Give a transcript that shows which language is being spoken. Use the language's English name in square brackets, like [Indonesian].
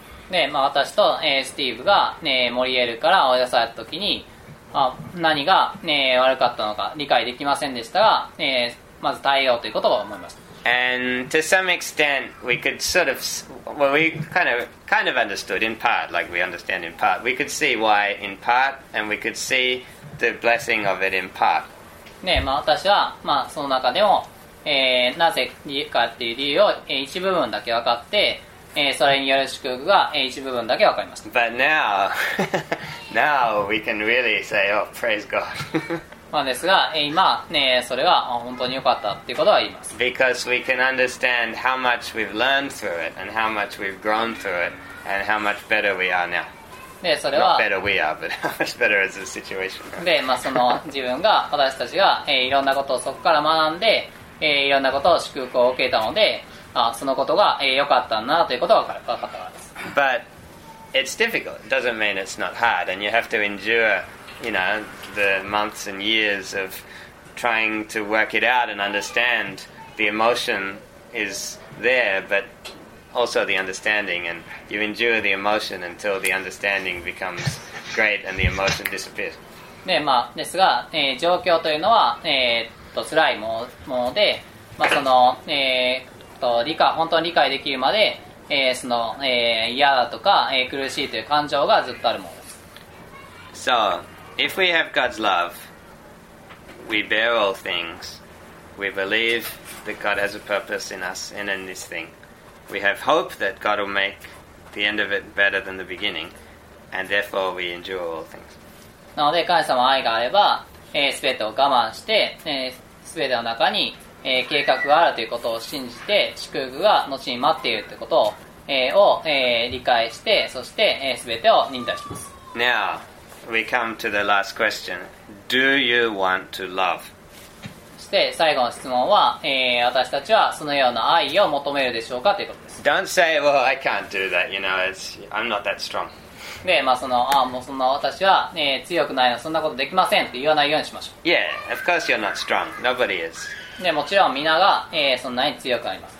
[Japanese] で、まあ、私と、スティーブが、モリエルから追い出された時に、何が、悪かったのか理解できませんでしたが、まず耐えようということを思いました。 [English] And to some extent, we could sort of, well, we kind of understood in part, like we understand in part. We could see why in part, and we could see the blessing of it in part. [Japanese] ね、まあ私は、まあその中でも、なぜかっていう理由を、一部分だけ分かって、それによる祝福が、一部分だけ分かりました。 [English] But now, now we can really say, oh, praise God. [Japanese] まあ、ですが、今、ね、それは本当に良かったっていうことは言います。 [English] Because we can understand how much we've learned through it, and how much we've grown through it, and how much better we are now. [Japanese] で、それは、 [English] not better we are, but how much better is the situation. [Japanese] で、まあ、その自分が、私たちが、いろんなことをそこから学んで、いろんなことを祝福を受けたので、そのことが、良かったんだなということが分かったからです。 [English] But it's difficult. It doesn't mean it's not hard, and you have to endure, you know,the months and years of trying to work it out and understand the emotion is there, but also the understanding, and you endure the emotion until the understanding becomes great and the emotion disappears. [Japanese] ね、まあ、ですが、状況というのは、辛いもので、まあ、その、本当に理解できるまで、その、嫌だとか、苦しいという感情がずっとあるものです。 [English] So,If we have God's love, we bear all things. We believe that God has a purpose in us and in this thing. We have hope that God will make the end of it better than the beginning, and therefore we endure all things. [Japanese] なので、神様の愛があれば、すべてを我慢して、すべての中に、計画があるということを信じて、祝福が後に待っているということを、理解して、そして、すべてを忍耐します。 [English] Now, we come to the last question. Do you want to love? [Japanese] そして最後の質問は、私たちはそのような愛を求めるでしょうかということです。 [English] Don't say, well, I can't do that. You know, it's, I'm not that strong. [Japanese] で、まあその、ああ、もうそんな私は、強くないの、そんなことできませんって言わないようにしましょう。 [English] Yeah, of course you're not strong. Nobody is. [Japanese] でもちろんみんなが、そんなに強くあります。